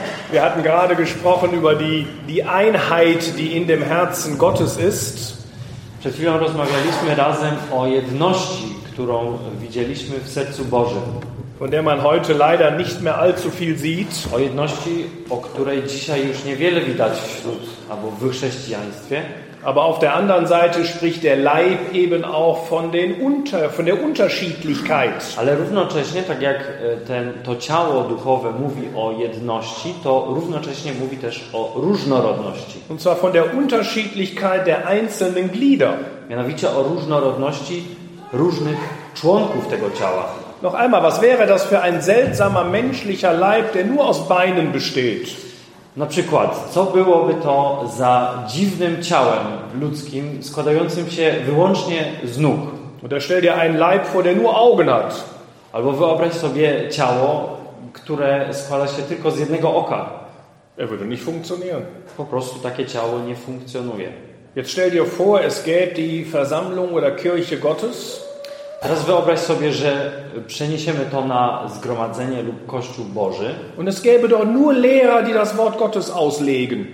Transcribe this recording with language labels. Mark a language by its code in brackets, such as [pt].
[de] Wir hatten gerade gesprochen über die Einheit, die in dem Herzen Gottes ist. [pl] Przed chwilą rozmawialiśmy razem o jedności, którą widzieliśmy w sercu Bożym. [de] Von der man heute leider nicht mehr allzu viel sieht. [pl] O jedności, o której dzisiaj już niewiele widać wśród albo w chrześcijaństwie. [de] Aber auf der anderen Seite spricht der Leib eben auch von der Unterschiedlichkeit. [pl] Ale równocześnie, tak jak to ciało duchowe mówi o jedności, to równocześnie mówi też o różnorodności. [de] Und zwar von der Unterschiedlichkeit der einzelnen Glieder. [pl] Mianowicie o różnorodności różnych członków tego ciała. [de] Noch einmal, was wäre das für ein seltsamer menschlicher Leib, der nur aus Beinen besteht? [pl] Na przykład, co byłoby to za dziwnym ciałem ludzkim, składającym się wyłącznie z nóg? [de] Oder stell dir einen Leib vor, der nur Augen hat. [pl] Albo wyobraź sobie ciało, które składa się tylko z jednego oka. [de] Er würde nicht funktionieren. [pl] Po prostu takie ciało nie funkcjonuje. [de] Jetzt stell dir vor, es gäbe die Versammlung oder Kirche Gottes. [pl] Teraz wyobraź sobie, że przeniesiemy to na zgromadzenie lub Kościół Boży. [de] Und es gäbe dort nur Lehrer, die das Wort Gottes auslegen.